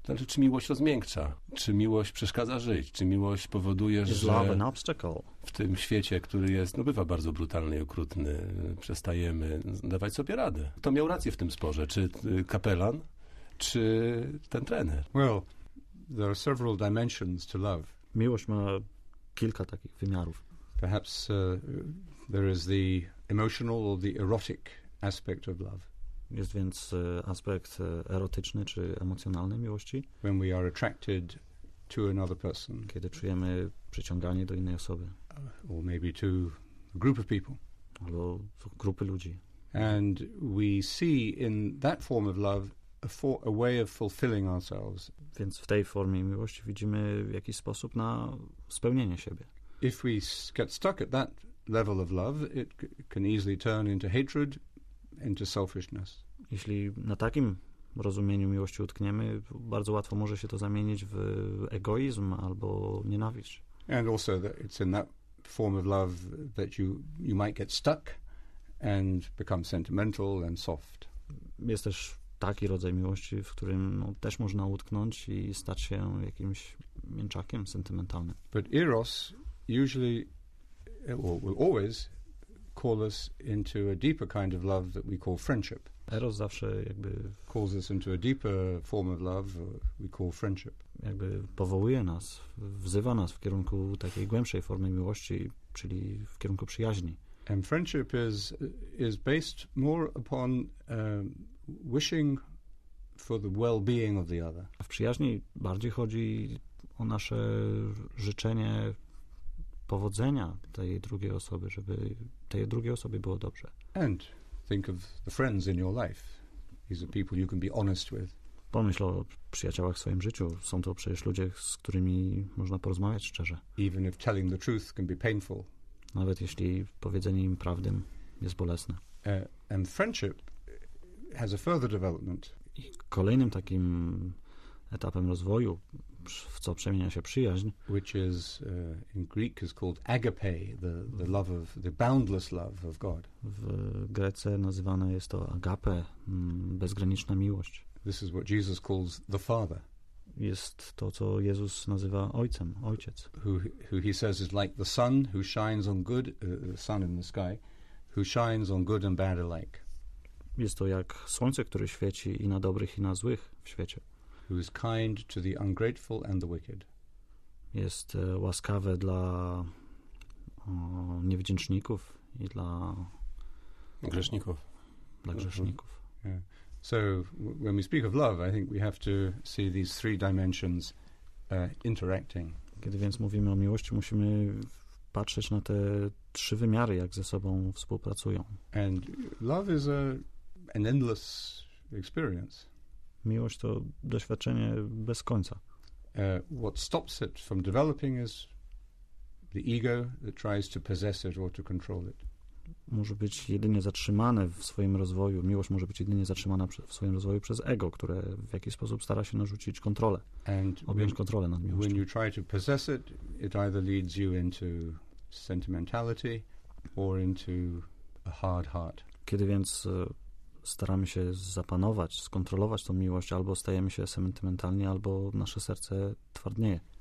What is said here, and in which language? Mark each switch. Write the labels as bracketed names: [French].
[Polish] Znaczy, czy miłość rozmiękcza? Czy miłość przeszkadza żyć? Czy miłość powoduje, że w tym świecie, który jest, no bywa bardzo brutalny i okrutny, przestajemy dawać sobie radę? Kto miał rację w tym sporze? Czy kapelan, czy ten trener? [English] Well, there are several dimensions to love. [Polish] Miłość ma kilka takich wymiarów. [English] Perhaps there is the emotional or the erotic aspect of love. [Polish] Jest więc aspekt erotyczny czy emocjonalny miłości. [English] When we are attracted to another person. [Polish] Kiedy czujemy przyciąganie do innej osoby. [English] Or maybe to a group of people. [Polish] Albo grupy ludzi. [English] And we see in that form of love a way of fulfilling ourselves. [Polish] Więc w tej formie miłości widzimy jakiś sposób na spełnienie siebie. [English] If we get stuck at that level of love, it can easily turn into hatred, into selfishness. [Polish] Jeśli na takim rozumieniu miłości utkniemy, bardzo łatwo może się to zamienić w egoizm albo nienawiść. [English] And also that it's in that form of love that you might get stuck and become sentimental and soft. [Polish] Jest też taki rodzaj miłości, w którym no, też można utknąć i stać się jakimś mięczakiem sentymentalnym. [English] But Eros usually will always call us into a deeper kind of love that we call friendship. [Polish] Eros zawsze jakby [English] calls us into a deeper form of love we call friendship. [Polish] Jakby powołuje nas, wzywa nas w kierunku takiej głębszej formy miłości, czyli w kierunku przyjaźni. [English] And friendship is based more upon wishing for the well-being of the other. [Polish] A w przyjaźni bardziej chodzi o nasze życzenie powodzenia tej drugiej osoby, żeby tej drugiej osobie było dobrze. [English] And think of the friends in your life. These are people you can be honest with. [Polish] Pomyśl o przyjaciołach w swoim życiu. Są to przecież ludzie, z którymi można porozmawiać szczerze. [English] Even if telling the truth can be painful. [Polish] Nawet jeśli powiedzenie im prawdy jest bolesne. [English] And friendship has a further development. [Polish] I kolejnym takim etapem rozwoju, w co przemienia się przyjaźń, [English] which is in Greek is called agape, the love of the boundless love of God. [Polish] W Grece nazywane jest to agape, bezgraniczna miłość. [English] This is what Jesus calls the Father. [Polish] Jest to, co Jezus nazywa Ojcem, Ojciec. [English] Who he says is like the sun who shines on good, the sun in the sky, who shines on good and bad alike. [Polish] Jest to jak słońce, które świeci i na dobrych, i na złych w świecie. [English] Who is kind to the ungrateful and the wicked. [Polish] Jest łaskawe dla niewdzięczników i dla grzeszników. Dla grzeszników. [English] Yeah. So when we speak of love, I think we have to see these three dimensions interacting. [Polish] Kiedy więc mówimy o miłości, musimy patrzeć na te trzy wymiary, jak ze sobą współpracują. [English] And love is an endless experience. [Polish] Miłość to doświadczenie bez końca. [English] What stops it from developing is the ego that tries to possess it or to control it. [Polish] Może być jedynie zatrzymane w swoim rozwoju. Miłość może być jedynie zatrzymana w swoim rozwoju przez ego, które w jakiś sposób stara się narzucić kontrolę, objąć kontrolę nad miłością. [English] When you try to possess it, it either leads you into sentimentality or into a hard heart. [Polish] Kiedy więc staramy się zapanować, skontrolować tą miłość, albo stajemy się sentymentalni, albo nasze serce twardnieje.